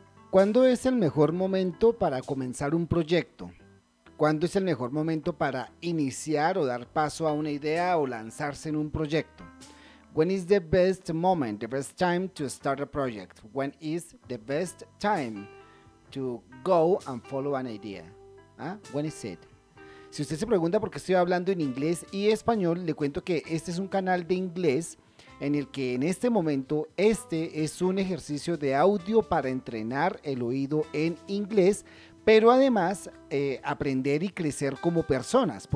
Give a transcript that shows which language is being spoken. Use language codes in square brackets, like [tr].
[es] ¿Cuándo es el mejor momento para comenzar un proyecto? ¿Cuándo es el mejor momento para iniciar o dar paso a una idea o lanzarse en un proyecto? [en] When is the best moment, the best time to start a project? When is the best time to go and follow an idea? ¿Ah? When is it? [es] Si usted se pregunta por qué estoy hablando en inglés y español, le cuento que este es un canal de inglés en el que en este momento este es un ejercicio de audio para entrenar el oído en inglés, pero además aprender y crecer como personas.